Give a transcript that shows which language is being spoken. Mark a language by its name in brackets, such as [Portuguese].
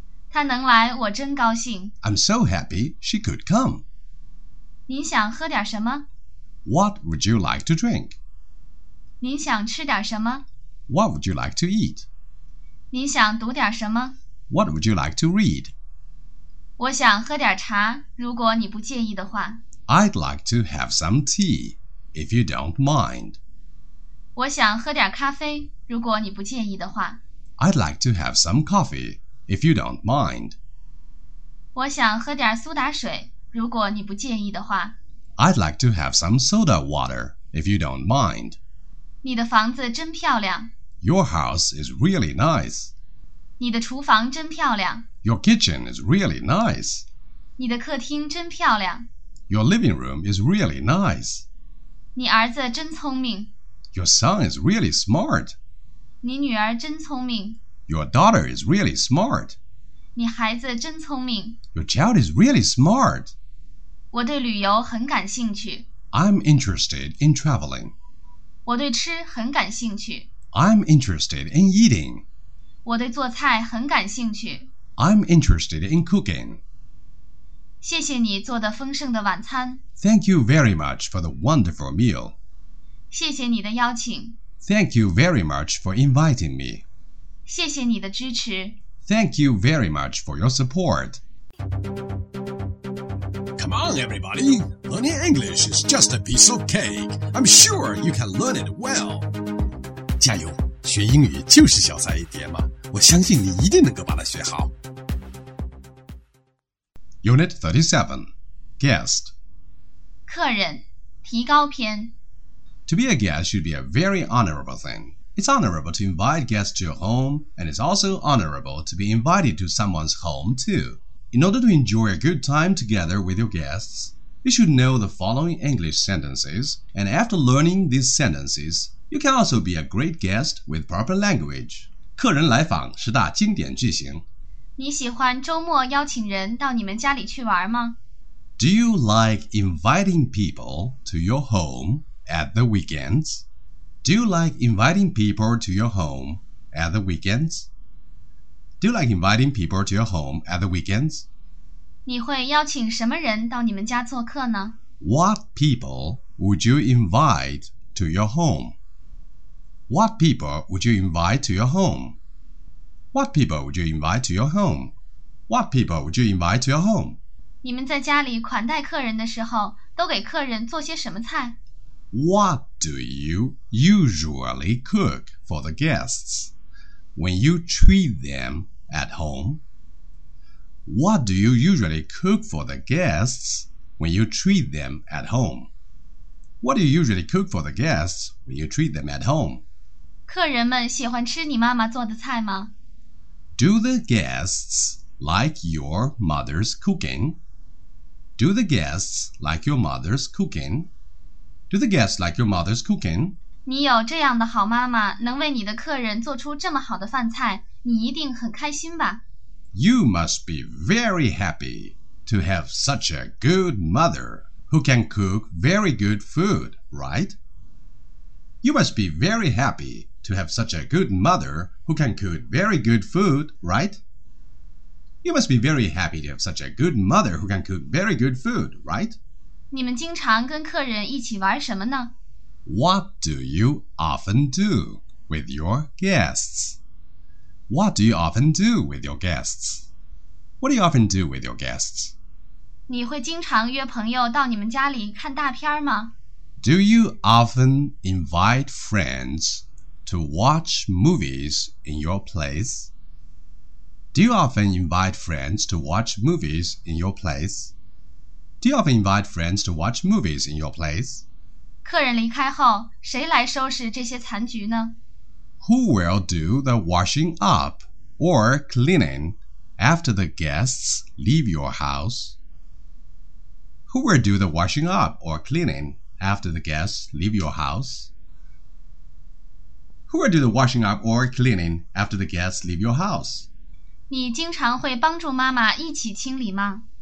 [Chinese] 他能来，我真高兴。 [English] I'm so happy she could come. [Chinese] 您想喝点什么？ [English] What would you like to drink? [Chinese] 您想吃点什么？ [English] What would you like to eat? [Chinese] 您想读点什么？ [English] What would you like to read? [Chinese] 我想喝点茶，如果你不介意的话。 [English] I'd like to have some tea, if you don't mind. [Chinese] 我想喝点咖啡，如果你不介意的话。 [English] I'd like to have some coffee, if you don't mind. [Chinese] 我想喝点苏打水，如果你不介意的话。 [English] I'd like to have some soda water, if you don't mind. [Chinese] 你的房子真漂亮。 [English] Your house is really nice. [Chinese] 你的厨房真漂亮。 [English] Your kitchen is really nice. [Chinese] 你的客厅真漂亮。 [English] Your living room is really nice. [Chinese] 你儿子真聪明。 [English] Your son is really smart. [Chinese] 你女儿真聪明。 [English] Your daughter is really smart. [Chinese] 你孩子真聪明。 [English] Your child is really smart. [Chinese] 我对旅游很感兴趣。 [English] I'm interested in traveling. [Chinese] 我对吃很感兴趣。 [English] I'm interested in eating. [Chinese] 我对做菜很感兴趣。 [English] I'm interested in cooking. [Chinese] 谢谢你做的丰盛的晚餐。 [English] Thank you very much for the wonderful meal. [Chinese] 谢谢你的邀请。 [English] Thank you very much for inviting me. [Chinese] 谢谢你的支持。 [English] Thank you very much for your support. Come on, everybody. Learning English is just a piece of cake. I'm sure you can learn it well. [Chinese] 加油，学英语就是小菜一碟嘛。我相信你一定能够把它学好。 [English] Unit 37, Guest. [Chinese] 客人，提高篇。 [English] To be a guest should be a very honorable thing. It's honorable to invite guests to your home, and it's also honorable to be invited to someone's home, too. In order to enjoy a good time together with your guests, you should know the following English sentences, and after learning these sentences, you can also be a great guest with proper language. [Chinese] 客人来访十大经典句型。你喜欢周末邀请人到你们家里去玩吗？ [English] Do you like inviting people to your home at the weekends? Do you like inviting people to your home at the weekends? Do you like inviting people to your home at the weekends? [Chinese] 你会邀请什么人到你们家做客呢？ [English] What people would you invite to your home? What people would you invite to your home? What people would you invite to your home? What people would you invite to your home? [Chinese] 你们在家里款待客人的时候，都给客人做些什么菜？ [English] What do you usually cook for the guests when you treat them at home? What do you usually cook for the guests when you treat them at home? What do you usually cook for the guests when you treat them at home? [Chinese] 客人们喜欢吃你妈妈做的菜吗？ [English] Do the guests like your mother's cooking? Do the guests like your mother's cooking? Do the guests like your mother's cooking? [Chinese] 你有这样的好妈妈，能为你的客人做出这么好的饭菜，你一定很开心吧？ [English] You must be very happy to have such a good mother who can cook very good food, right? You must be very happy. To have such a good mother who can cook very good food, right? You must be very happy to have such a good mother who can cook very good food, right? [Chinese] 你们经常跟客人一起玩什么呢？ [English] What do you often do with your guests? What do you often do with your guests? What do you often do with your guests? [Chinese] 你会经常约朋友到你们家里看大片吗？ [English] Do you often invite friends? To watch movies in your place? Do you often invite friends to watch movies in your place? Do you often invite friends to watch movies in your place? [Chinese] 客人离开后，谁来收拾这些残局呢？ [English] Who will do the washing up or cleaning after the guests leave your house? Who will do the washing up or cleaning after the guests leave your house? Who will do the washing up or cleaning after the guests leave your house? [Chinese] 你经常会帮助妈妈一起清理吗？